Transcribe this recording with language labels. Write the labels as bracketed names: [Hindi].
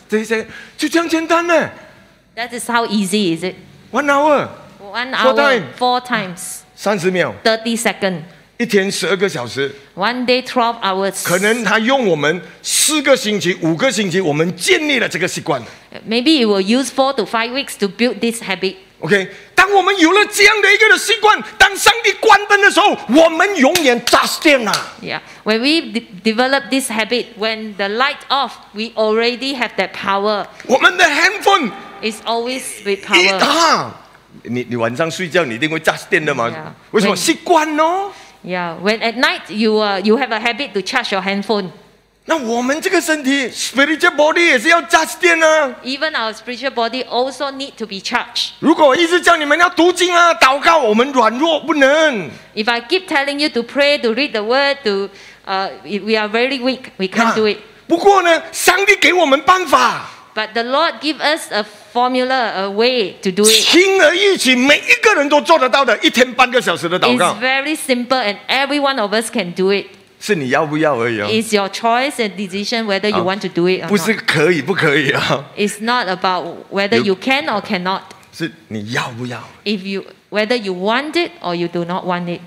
[Chinese] 等一下，然后后面那个滴滴滴滴滴滴滴，红色的滴了，等一下，就这样简单呢。 [English] That is how easy is it? One hour. Four times. Four times. [Chinese] 30秒. [English] 30 seconds. [Chinese] 一天12个小时. [English] One day 12 hours. [Chinese] 可能他用我们4个星期、5个星期，我们建立了这个习惯. [English] Maybe it will use 4 to 5 weeks to build this habit. [Chinese] OK， 当我们有了这样的一个的习惯，当上帝关灯的时候，我们永远 just in 啊。 [English] Yeah， when we develop this habit， when the light off， we already have that power。 [Chinese] 我们的 handphone [English] is always with power。 [Chinese] 你晚上睡觉，你一定会 just in 的嘛？Yeah， 为什么？习惯哦。 [English] Yeah， when at night you have a habit to charge your handphone。 [Chinese] 那我们这个身体 spiritual body 也是要 charge 电啊。 [English] Even our spiritual body also need to be charged. [Chinese] 如果一直叫你们要读经啊，祷告，我们软弱不能。 [English] If I keep telling you to pray, to read the word, to we are very weak, we can't do it. [Chinese] 不过呢，上帝给我们办法。 [English] But the Lord give us a formula, a way to do it. [Chinese] 轻而易举，每一个人都做得到的，一天半个小时的祷告。 [English] It's very simple, and every one of us can do it. [Chinese] 是你要不要而已哦。 [English] It's your choice and decision whether you want to do it or not. [Chinese] 不是可以不可以啊。 [English] It's not about whether you can or cannot. [Chinese] 是你要不要。 [English] If you whether you want it or you do not want it.